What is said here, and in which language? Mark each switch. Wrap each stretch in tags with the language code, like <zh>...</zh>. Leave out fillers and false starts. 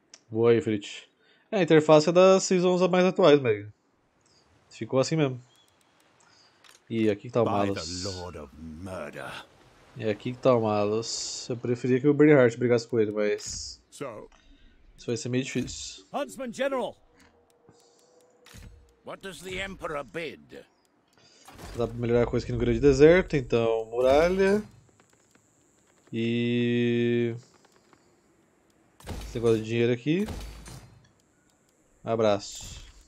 <pt>Boa aí, Fritz. É, a interface é das seasons mais atuais, mesmo. Ficou assim mesmo. E aqui que tá o</pt> <en>By the Malus. Lord of Murder.</en> <pt>E aqui que tá o Malus. Eu preferia que o Bernhardt brigasse com ele, mas.</pt> <en>So,</en> <pt>Isso vai ser meio difícil.</pt> <en>Huntsman General, what does the Emperor bid?</en> <pt>Dá pra melhorar a coisa aqui no Grande Deserto, então. Muralha. E. Esse negócio de dinheiro aqui. Abraço.</pt>